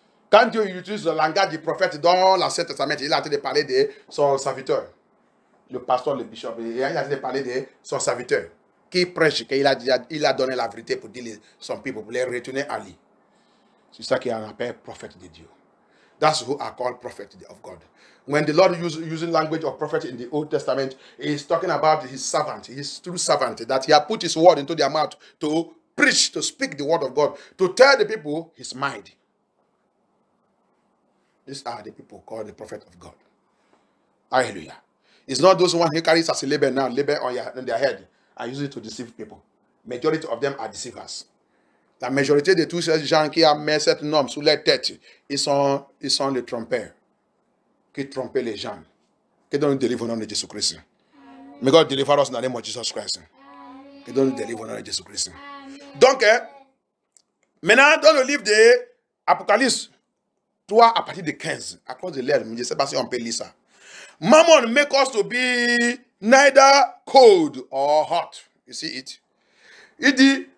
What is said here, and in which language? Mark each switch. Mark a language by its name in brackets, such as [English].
[French] Quand Dieu utilise le langage du prophète dans l'Ancien Testament, il est en train de parler de son serviteur. Le pasteur, le bishop, il est en train de parler de son serviteur. Qui prêche qu'il a, déjà, il a donné la vérité pour dire son peuple, pour les retourner à lui. C'est ça qu'il appelle prophète de Dieu. [English] That's who are called prophet of God. When the Lord using language of prophet in the Old Testament, he's talking about his servant, his true servant, that he has put his word into their mouth to preach, to speak the word of God, to tell the people his mind. These are the people called the prophet of God. Hallelujah. It's not those ones who carry as a label now, label on their head, and use it to deceive people. Majority of them are deceivers. [French] La majorité de tous ces gens qui amènent cette norme sous leur tête, ils sont les trompeurs qui trompent les gens. Que Dieu nous délivre au nom de Jésus Christ. [English] Mais God deliver us in the name of Jesus Christ. [French] Que Dieu nous délivre au nom de Jésus Christ. Donc, maintenant, dans le livre de Apocalypse 3 à partir de 15, à cause de l'air, je ne sais pas si on peut lire ça. [English] Mammon make us to be neither cold or hot. You see it? [French] Il dit.